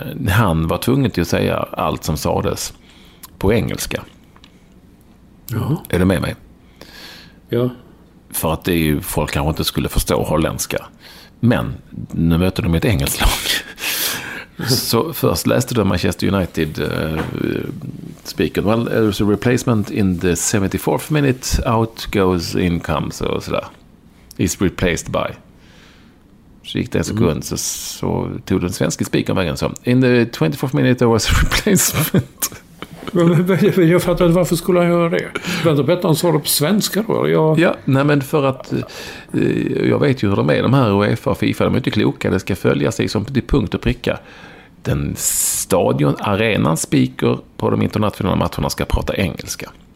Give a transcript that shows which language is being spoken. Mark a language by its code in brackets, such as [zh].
[sv] Han var tvungen till att säga allt som sades på engelska. Ja. Är du med mig? Ja. För att det är ju, folk kanske inte skulle förstå holländska. Men nu möter de ett engelskt lag. Så först läste de Manchester United speaker. [en] Well, there's a replacement in the 74th minute. Out goes in comes. [sv] Och sådär. [en] Is replaced by. [sv] Så gick det en sekund. Mm. Så tog den svenska speakern vägen. [en] Så, in the 24th minute there was a replacement. [sv] Jag fattar inte, varför skulle han göra det? Vänta, bättre han svarade på svenska då? Ja, nej, men för att jag vet ju hur de är, de här UEFA och FIFA, de är inte kloka, det ska följa sig som till punkt och pricka. Den stadion, arenan, speaker på de internationella matcherna ska prata engelska.